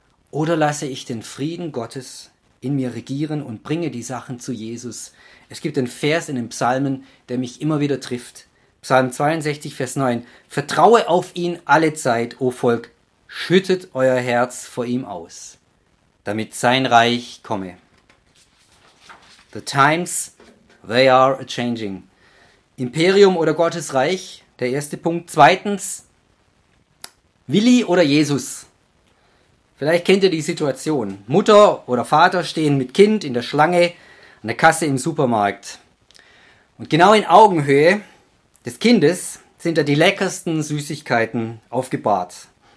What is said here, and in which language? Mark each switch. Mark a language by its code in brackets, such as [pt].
[de] Oder lasse ich den Frieden Gottes in mir regieren und bringe die Sachen zu Jesus? Es gibt einen Vers in den Psalmen, der mich immer wieder trifft. Psalm 62, Vers 9. Vertraue auf ihn alle Zeit, o Volk. Schüttet euer Herz vor ihm aus, damit sein Reich komme. [en] The times, they are a changing. [de] Imperium oder Gottes Reich? Der erste Punkt. Zweitens, Willi oder Jesus? Vielleicht kennt ihr die Situation. Mutter oder Vater stehen mit Kind in der Schlange an der Kasse im Supermarkt. Und genau in Augenhöhe des Kindes sind da die leckersten Süßigkeiten aufgebahrt.